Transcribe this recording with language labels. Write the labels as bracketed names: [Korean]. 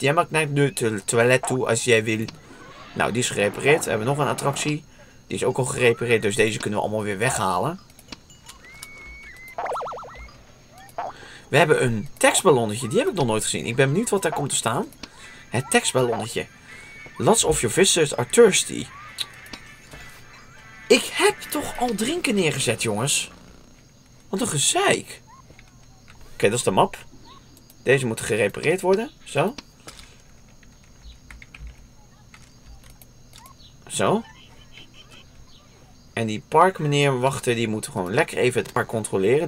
[Dutch] Jij mag naar het toilet toe als jij wil. Nou, die is gerepareerd. We hebben nog een attractie. Die is ook al gerepareerd, dus deze kunnen we allemaal weer weghalen. We hebben een tekstballonnetje. Die heb ik nog nooit gezien. Ik ben benieuwd wat daar komt te staan. Het tekstballonnetje. [English] Lots of your visitors are thirsty. [Dutch] Ik heb toch al drinken neergezet, jongens. Wat een gezeik. Oké, dat is de map. Deze moet gerepareerd worden. Zo. Zo. En die parkmeneer wachten, die moet gewoon lekker even het park controleren.